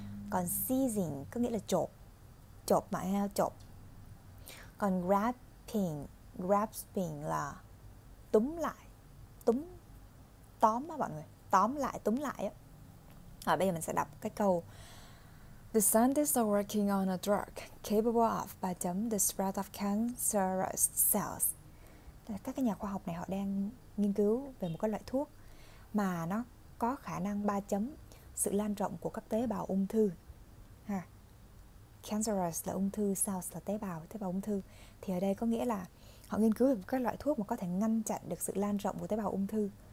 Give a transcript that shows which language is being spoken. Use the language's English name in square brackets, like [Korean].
[Vietnamese] Còn seizing có nghĩa là chộp mà heo chộp. Còn grasping là túm lại, tóm á mọi người, tóm lại, túm lại á. Rồi bây giờ mình sẽ đọc cái câu. [English] The scientists are working on a drug capable of the spread of cancerous cells. [Vietnamese] Các cái nhà khoa học này họ đang nghiên cứu về một cái loại thuốc mà nó có khả năng ba chấm sự lan rộng của các tế bào ung thư. Ha. Cancerous là ung thư, cells là tế bào ung thư. Thì ở đây có nghĩa là họ nghiên cứu về một cái loại thuốc mà có thể ngăn chặn được sự lan rộng của tế bào ung thư.